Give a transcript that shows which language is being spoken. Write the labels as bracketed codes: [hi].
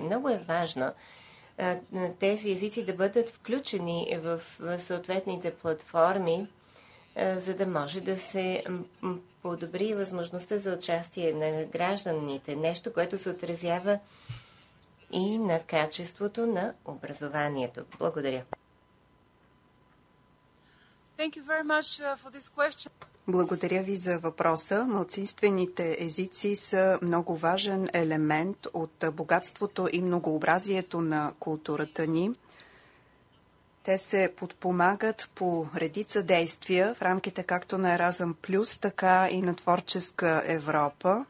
[bg] Много е важно тези езици да бъдат включени в съответните платформи, за да може да се подобри възможността за участие на гражданите. Нещо, което се отразява и на качеството на образованието. Благодаря. [en] Thank you very much for this question. [bg] Благодаря ви за въпроса. Малцинствените езици са много важен елемент от богатството и многообразието на културата ни. Те се подпомагат по редица действия в рамките както на Еразъм Плюс, така и на Творческа Европа.